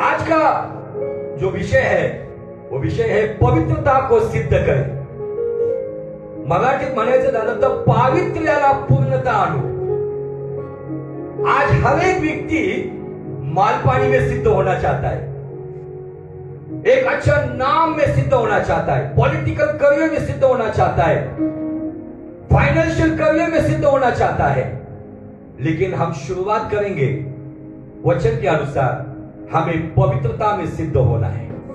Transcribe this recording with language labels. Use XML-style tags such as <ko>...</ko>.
<hi>आज का जो विषय है वो विषय है पवित्रता को सिद्ध करें।</hi> <mr>मराठीत म्हणायचं झालं तर पावित्र्याला पूर्णता आणो।</mr> <hi>आज हर एक व्यक्ति मालपाणी में सिद्ध होना चाहता है, एक अच्छा नाम में सिद्ध होना चाहता है, पॉलिटिकल करियर में सिद्ध होना चाहता है, फाइनेंशियल करियर में सिद्ध होना चाहता है। लेकिन हम शुरुआत करेंगे वचन के अनुसार, हमें पवित्रता में सिद्ध होना है।</hi>